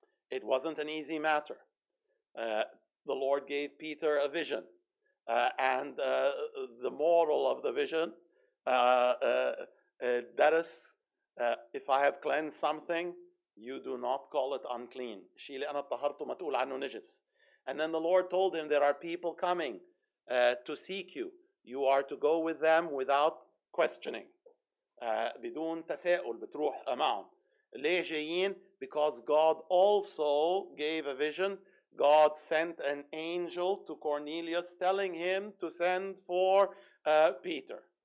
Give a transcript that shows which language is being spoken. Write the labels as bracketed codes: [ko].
[en] It wasn't an easy matter. The Lord gave Peter a vision, and the moral of the vision, that is, if I have cleansed something, you do not call it unclean. [ar] شيلي أنا طهرته ما تقول عنه نجس. [en] And then the Lord told him, there are people coming to seek you. You are to go with them without questioning. [ar] بدون تساؤل بتروح معهم. ليه جايين؟ [en] Because God also gave a vision. God sent an angel to Cornelius telling him to send for Peter.